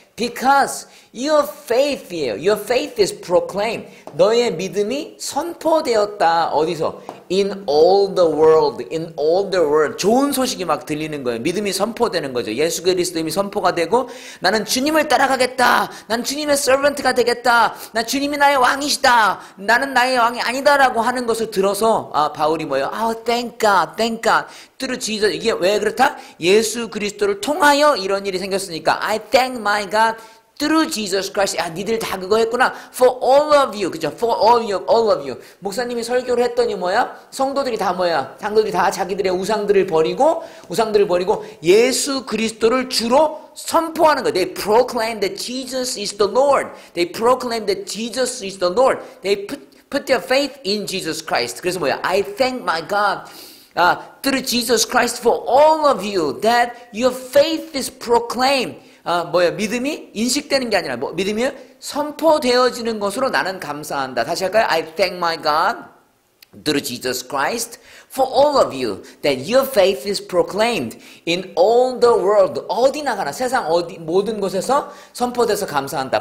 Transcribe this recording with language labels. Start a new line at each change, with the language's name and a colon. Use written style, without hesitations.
English: Because your faith here, your faith is proclaimed.
Korean: 너의 믿음이 선포되었다. 어디서?
English: In all the world.
Korean: 좋은 소식이 막 들리는 거예요. 믿음이 선포되는 거죠. 예수 그리스도님이 선포가 되고 나는 주님을 따라가겠다. 나는 주님의 servant가 되겠다. 나 주님이 나의 왕이시다. 나는 나의 왕이 아니다라고 하는 것을 들어서 바울이 뭐예요?
English: Thank God. Through Jesus.
Korean: 이게 왜 그렇다? 예수 그리스도를 통하여 이런 일이 생겼으니까.
English: I thank my God through Jesus Christ.
Korean: 아, 니들 다 그거 했구나.
English: For all of you.
Korean: 그죠?
English: For all you, all of you.
Korean: 목사님이 설교를 했더니 뭐야? 성도들이 다 뭐야? 성도들이 다 자기들의 우상들을 버리고 예수 그리스도를 주로 선포하는 거.
English: They proclaim that Jesus is the Lord. They proclaim that Jesus is the Lord. They put their faith in Jesus Christ.
Korean: 그래서 뭐야?
English: I thank my God. Through Jesus Christ for all of you that your faith is proclaimed.
Korean: 뭐야? 믿음이 인식되는 게 아니라 뭐 믿음이 선포되어지는 것으로 나는 감사한다. 다시 할까요?
English: I thank my God through Jesus Christ for all of you that your faith is proclaimed in all the world.
Korean: 어디나 가나 세상 어디 모든 곳에서 선포돼서 감사한다.